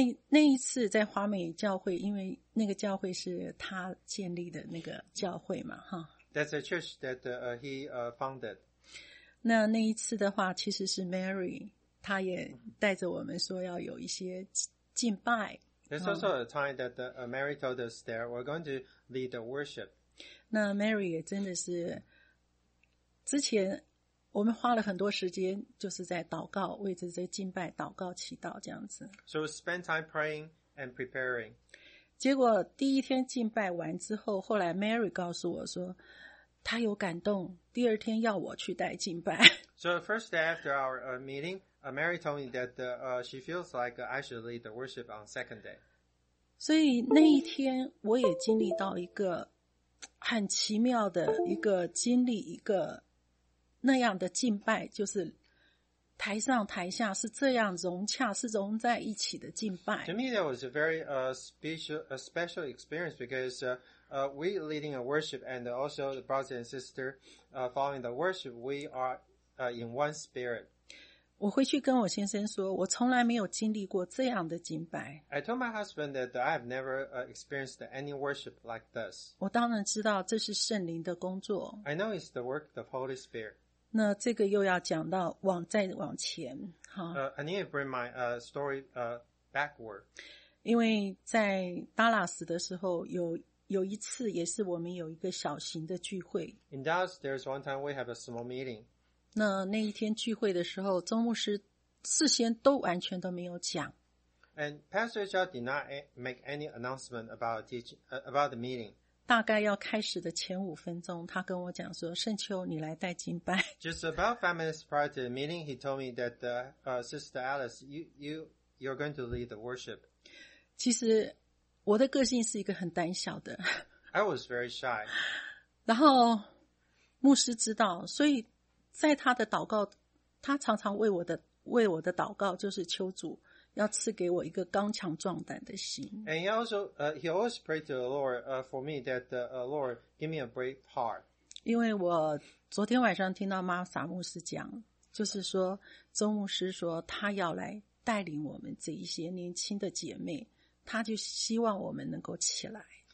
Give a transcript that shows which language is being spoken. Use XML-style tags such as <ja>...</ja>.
<zh>那一次在华美教会，因为那个教会是他建立的那个教会嘛，哈。</zh> <en>That's a church that he founded.</en> <zh>那一次的话，其实是 Mary， 他也带着我们说要有一些敬拜。</zh> <en>There's also a time that Mary told us that we're going to lead the worship.</en> <zh>那 Mary 也真的是，之前我们花了很多时间就是在祷告，为着这敬拜祷告祈祷这样子。</zh> <en>So spend time praying and preparing.</en> <zh>结果第一天敬拜完之后，后来 Mary 告诉我说她有感动，第二天要我去带敬拜。</zh> <en>So the first day after our meeting, Mary told me that she feels like I should lead the worship on second day.</en> <zh>所以那一天我也经历到一个很奇妙的一个经历，一个那样的敬拜，就是台上台下是这样融洽，是融在一起的敬拜。</zh> <en>To me, that was a very special experience because we leading a worship and also the brothers and sisters following the worship, we are in one spirit.</en> <zh>我回去跟我先生说，我从来没有经历过这样的敬拜。</zh> <en>I told my husband that I have never experienced any worship like this.</en> <zh>我当然知道这是圣灵的工作。</zh> <en>I know it's the work of the Holy Spirit.</en> <zh>那这个又要讲到再往前哈。</zh> <en>I need to bring my story backward.</en> <zh>因为在达拉斯的时候有一次也是我们有一个小型的聚会。</zh> <en>In Dallas, there's one time we have a small meeting.</en> <zh>那一天聚会的时候，宗牧师事先都完全都没有讲。</zh> <en>And Pastor Zhao did not make any announcement about the meeting.</en> <zh>大概要开始的前五分钟，他跟我讲说：“圣秋，你来带敬拜。”</zh> <en>Just about 5 minutes prior to the meeting, he told me that Sister Alice, you're going to lead the worship.</en> <zh>其实我的个性是一个很胆小的。</zh> <en>I was very shy.</en> <zh>然后牧师知道，所以在他的祷告，他常常为我的祷告，就是求主要赐给我一个刚强壮胆的心。</zh> <en>And he also prayed to the Lord for me that Lord give me a brave heart.</en> <zh>因为我昨天晚上听到玛莎牧师讲，就是说周牧师说他要来带领我们这一些年轻的姐妹，他就希望我们能够起来。</zh>